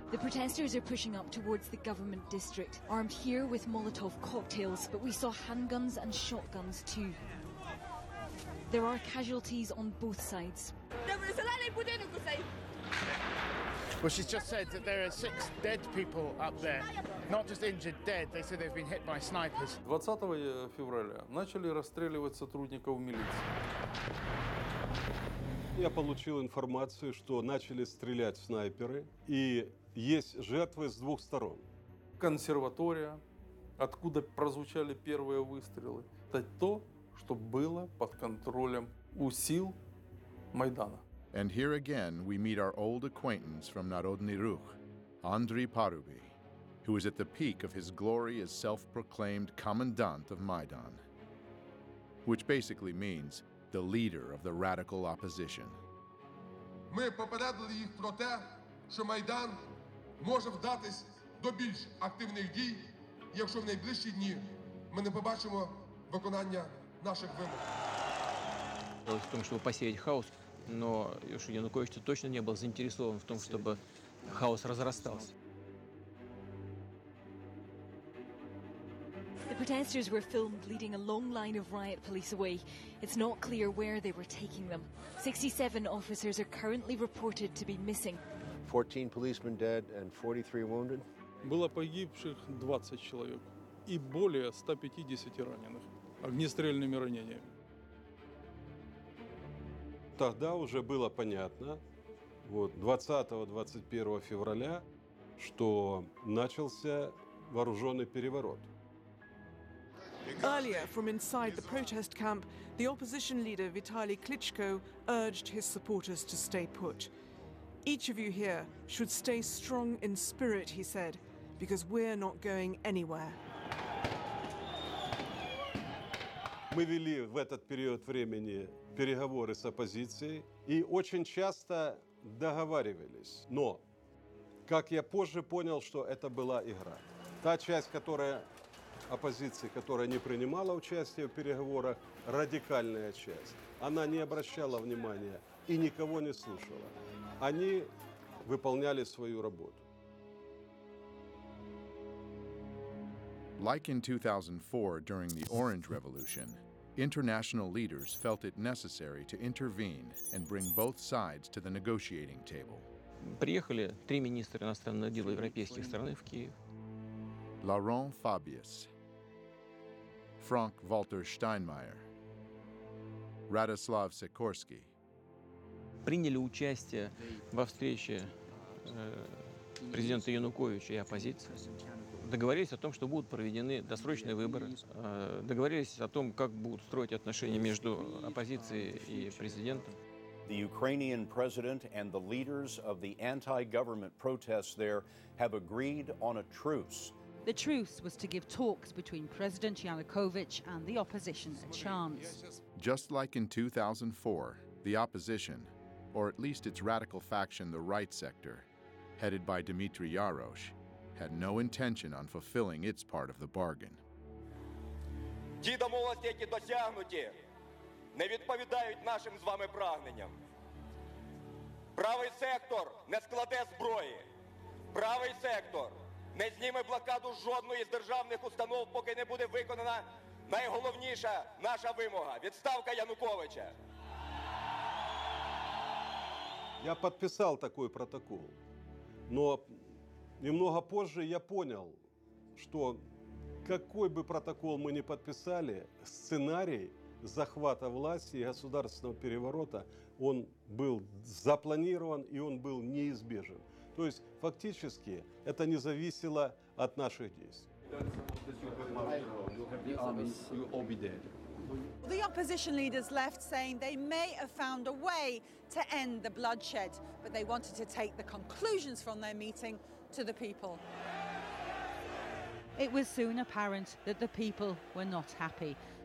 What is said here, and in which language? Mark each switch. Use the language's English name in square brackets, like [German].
[English] The protesters are pushing up towards the government district, armed here with Molotov cocktails, but we saw handguns and shotguns too. There are casualties on both sides. Well, she's just said that there are six dead people up there. Not just injured, dead. They say they've been hit by snipers. [Russian] 20 февраля начали розстрілювати сотрудників міліції. Я получил информацию, что начали стрелять снайперы, и есть жертвы с двух сторон. Консерватория, откуда прозвучали первые выстрелы, это то, что было под контролем у сил Майдана. [English] And here again we meet our old acquaintance from Народный рух, Андрей Паруби, who is at the peak of his glory as self-proclaimed commandant of Майдан, which basically means the leader of the radical opposition. [Ukrainian] Ми попередили їх про те, що Майдан може вдатись до більш активних дій, якщо в найближчі дні ми не побачимо виконання наших вимог. Дело в тому, щоб посіяти хаос, но що Янукович точно не був заінтересован в тому, щоб хаос розростався. [English] The protesters were filmed leading a long line of riot police away. It's not clear where they were taking them. 67 officers are currently reported to be missing. 14 policemen dead and 43 wounded. [Ukrainian] Було погибших 20 чоловік і більше 150 ранених огнестрельними раненнями. Тоді вже було зрозуміло, 20-21 февраля, що почався військовий переворот. [English] Earlier, from inside the protest camp, the opposition leader Vitali Klitschko urged his supporters to stay put. Each of you here should stay strong in spirit, he said, because we're not going anywhere. [Ukrainian] Ми вели в этот період времени переговори з опозицією і очень часто договаривались. [Russian] Но, как я позже понял, что это была игра. Та часть, которая оппозиции, которая не принимала участие в переговорах, радикальная часть. Она не обращала внимания и никого не слушала. Они выполняли свою работу. [English] Like in 2004 during the Orange Revolution, international leaders felt it necessary to intervene and bring both sides to the negotiating table. [Russian] Приехали три министра иностранных дел европейских стран в Киев. Laurent Fabius, Frank-Walter Steinmeier, Radoslav Sikorsky. Приняли участие во встрече президента Януковича и оппозиции. Договорились о том, что будут проведены досрочные выборы. Договорились о том, как будут строить отношения между оппозицией и президентом. [English] The Ukrainian president and the leaders of the anti-government protests there have agreed on a truce. The truce was to give talks between President Yanukovych and the opposition a chance. Just like in 2004, the opposition, or at least its radical faction, the right sector, headed by Dmitry Yarosh, had no intention on fulfilling its part of the bargain. [Ukrainian] Ті домовленості, які досягнуті, не відповідають нашим з вами прагненням. Правий сектор не складе зброї. Правий сектор не зніме блокаду жодної з державних установ, поки не буде виконана найголовніша наша вимога – відставка Януковича. Я підписав такий протокол, [Russian] но немного позже я понял, что какой бы протокол мы ни подписали, сценарий захвата власти и государственного переворота, он был запланирован и он был неизбежен. То есть фактически это не зависело от наших действий. [English] The opposition leaders left saying they may have found a way to end the bloodshed, but they wanted to take the conclusions from their meeting to the people. It was soon apparent that the people were not happy.